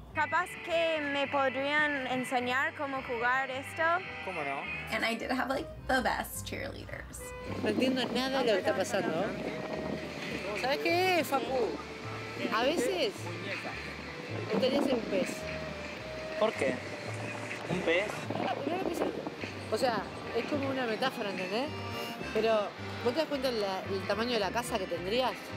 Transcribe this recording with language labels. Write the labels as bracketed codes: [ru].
[es] Capaz que me podrían enseñar cómo jugar esto. ¿Cómo no? [en] And I did have, like, the best cheerleaders. [es] No entiendo nada de lo que está pasando. ¿Sabes qué, Facu? A veces... ¿Qué? Tenés un pez. ¿Por qué? ¿Un pez? O sea, es como una metáfora, ¿entendés? Pero, ¿vos te das cuenta el tamaño de la casa que tendrías?